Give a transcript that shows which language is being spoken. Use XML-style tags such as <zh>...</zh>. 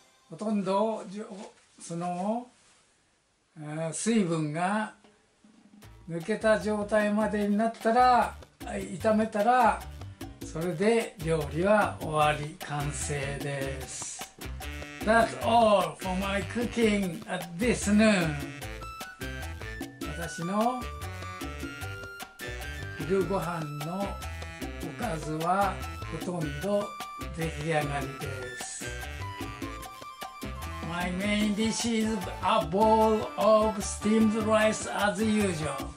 <ja>ほとんどその水分が抜けた状態までになったら、炒めたらそれで料理は終わり、完成です。</ja> <en>That's all for my cooking at this noon。</en> <ja>私の昼ご飯のおかずはほとんど出来上がりです。</ja> <en>My main dish is a bowl of steamed rice as usual.</en>